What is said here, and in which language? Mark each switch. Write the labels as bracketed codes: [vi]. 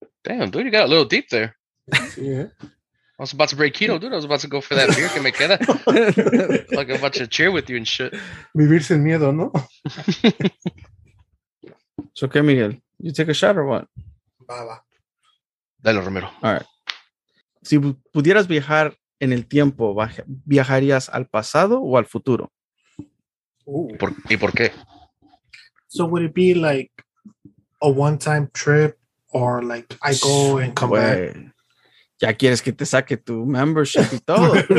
[en] Damn, dude, you got a little deep there. Yeah. I was about to break keto, dude. I was about to go for that beer. Can make that. Like a bunch of cheer with you and shit. [es] Vivir sin miedo, ¿no? [en] So, okay, Miguel, you take a shot or what? Baba. [es] Dale, Romero. [en] All right. [es] Si pudieras viajar en el tiempo, ¿viajarías al pasado o al futuro? ¿Y por qué? [en] So, would it be like a one-time trip or like I go and come back? [es] Ya quieres que te saque tu membership y todo.